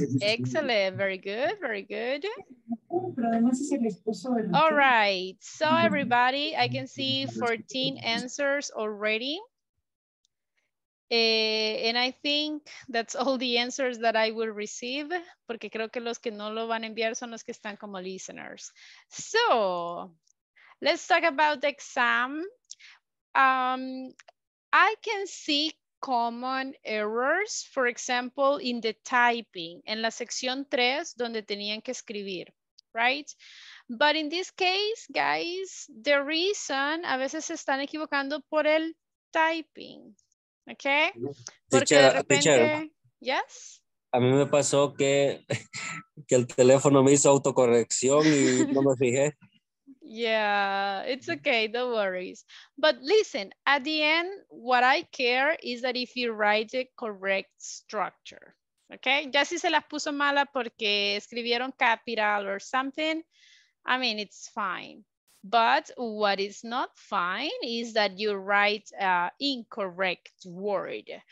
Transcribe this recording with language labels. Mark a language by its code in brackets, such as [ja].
[en] Excellent. Very good. Very good. All right. So everybody, I can see 14 answers already. And I think that's all the answers that I will receive. [es] Porque creo que los que no lo van a enviar son los que están como listeners. [en] So let's talk about the exam. I can see common errors, for example, in the typing, [es] en la sección 3, donde tenían que escribir, [en] right? But in this case, guys, the reason, [es] a veces se están equivocando por el typing, okay? Porque teacher, de repente, yes? A mí me pasó que el teléfono me hizo autocorrección y no me fijé. [en] Yeah, it's okay, no worries. But listen, at the end, what I care is that if you write the correct structure, okay? [es] Ya si se las puso mala porque escribieron capital [en] or something, I mean, it's fine. But what is not fine is that you write an incorrect word.